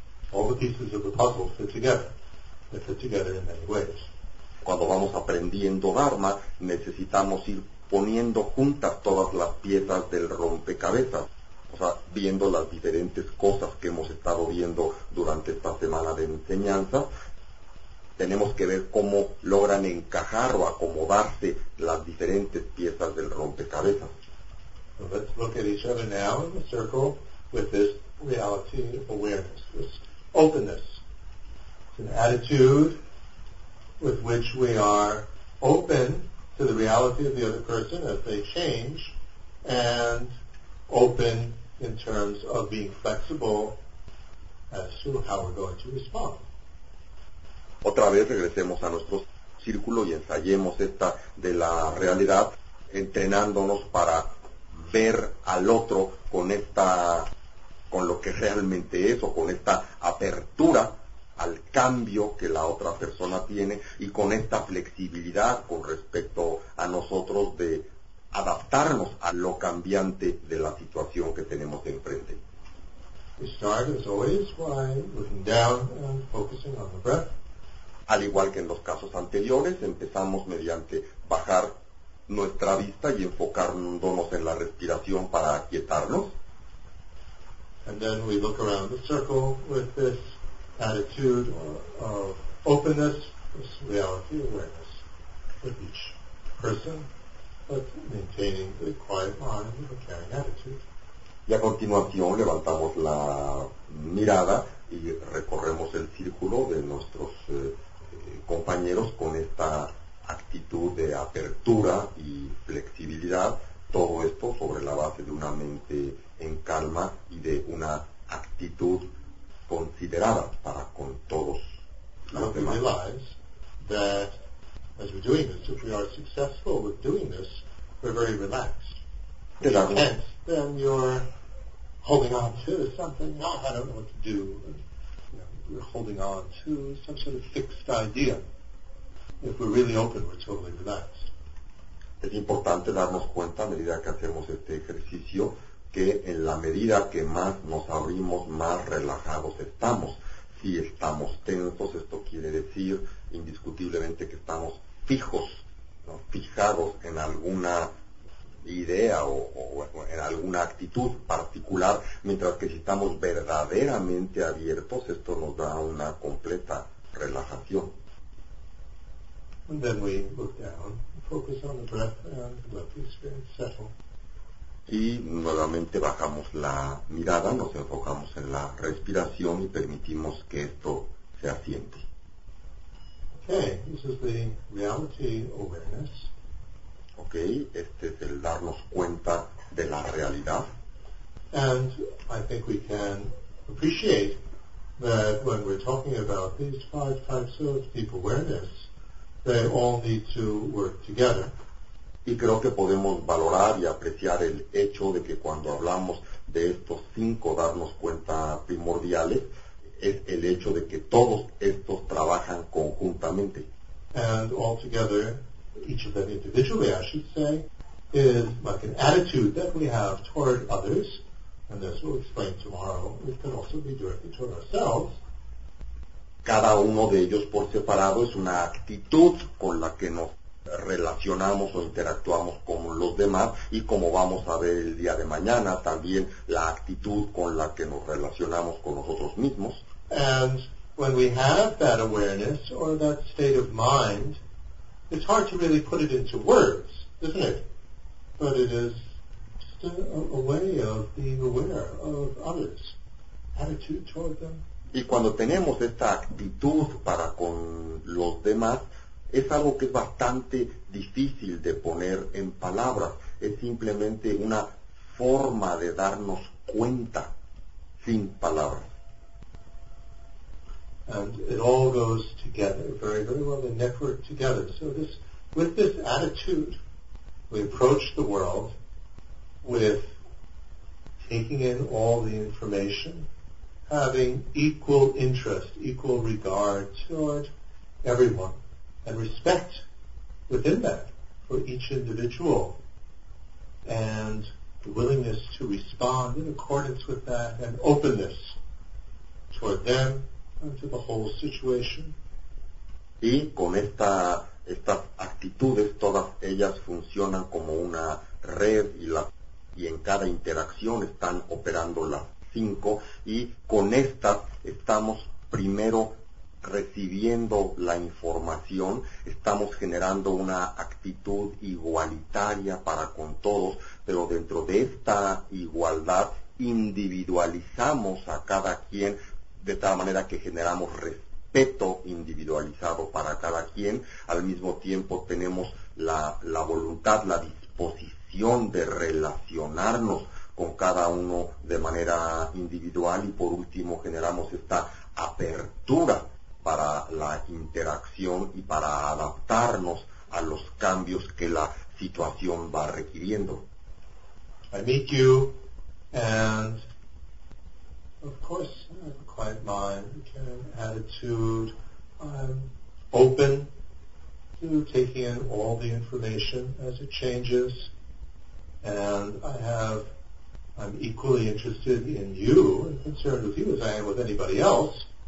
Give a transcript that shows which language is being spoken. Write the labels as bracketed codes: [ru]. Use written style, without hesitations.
[en] All the pieces of the puzzle fit together. They fit together in many ways. [es] Cuando vamos aprendiendo Dharma, necesitamos ir poniendo juntas todas las piezas del rompecabezas, o sea, viendo las diferentes cosas que hemos estado viendo durante esta semana de enseñanza. Tenemos que ver cómo logran encajar o acomodarse las diferentes piezas del rompecabezas. [en] So let's look at each other now in the circle with this reality awareness, this openness. It's an attitude with which we are open to the reality of the other person as they change, and open in terms of being flexible as to how we're going to respond. [es] Otra vez regresemos a nuestro círculo y ensayemos esta de la realidad, entrenándonos para ver al otro con esta, con lo que realmente es, o con esta apertura al cambio que la otra persona tiene, y con esta flexibilidad con respecto a nosotros de adaptarnos a lo cambiante de la situación que tenemos enfrente. [en] We start as always by looking down and focusing on the breath. [es] Al igual que en los casos anteriores, empezamos mediante bajar nuestra vista y enfocándonos en la respiración para aquietarnos. [en] And then we look around the circle with this attitude of openness, this reality awareness with each person, but maintaining the quiet mind with a caring attitude. [es] Y a continuación levantamos la mirada y recorremos el círculo de nuestros compañeros con esta actitud de apertura y flexibilidad, todo esto sobre la base de una mente en calma y de una actitud considerada para con todos los demás. [en] We realize that as we're doing this, if we are successful with doing this, we're very relaxed. If you're tense, then you're holding on to something, oh, I don't know what to do, you're holding on to some sort of fixed idea. If we're really open, we're totally relaxed. [es] Es importante darnos cuenta a medida que hacemos este ejercicio que en la medida que más nos abrimos, más relajados estamos. Si estamos tensos, esto quiere decir indiscutiblemente que estamos fijos, ¿no? Fijados en alguna idea o en alguna actitud particular, mientras que si estamos verdaderamente abiertos, esto nos da una completa relajación. [en] And then we look down, focus on the breath, and let the experience settle. [es] Y nuevamente bajamos la mirada, nos enfocamos en la respiración y permitimos que esto se asiente. [en] Okay, this is the reality awareness. [es] Okay, este es el darnos cuenta de la realidad. [en] And I think we can appreciate that when we're talking about these five types of deep awareness, they all need to work together. [es] Y creo que podemos valorar y apreciar el hecho de que cuando hablamos de estos cinco darnos cuenta primordiales, es el hecho de que todos estos trabajan conjuntamente. [en] And all together, each of them individually, I should say, is like an attitude that we have toward others, and as we'll explain tomorrow, it can also be directed toward ourselves. [es] Cada uno de ellos por separado es una actitud con la que nos relacionamos o interactuamos con los demás, y como vamos a ver el día de mañana, también la actitud con la que nos relacionamos con nosotros mismos. [en] And when we have that awareness or that state of mind, it's hard to really put it into words, isn't it? But it is just a way of being aware of others, attitude toward them. [es] Y cuando tenemos esta actitud para con los demás, es algo que es bastante difícil de poner en palabras. Es simplemente una forma de darnos cuenta sin palabras. [en] And it all goes together, very, very well, the network together. So this, with this attitude, we approach the world with taking in all the information, having equal interest, equal regard toward everyone, and respect within that for each individual, and the willingness to respond in accordance with that, and openness toward them and to the whole situation. [es] Y con esta, estas actitudes, todas ellas funcionan como una red, y la, y en cada interacción están operando las cinco, y con estas estamos primero recibiendo la información, estamos generando una actitud igualitaria para con todos, pero dentro de esta igualdad individualizamos a cada quien de tal manera que generamos respeto individualizado para cada quien. Al mismo tiempo tenemos la, la voluntad, la disposición de relacionarnos con cada uno de manera individual, y por último generamos esta apertura para la interacción y para adaptarnos a los cambios que la situación va requiriendo. [en] I meet you, and of course, I'm quiet mind, can attitude, I'm open to taking in all the information as it changes, and I have, I'm equally interested in you and concerned with you as I am with anybody else.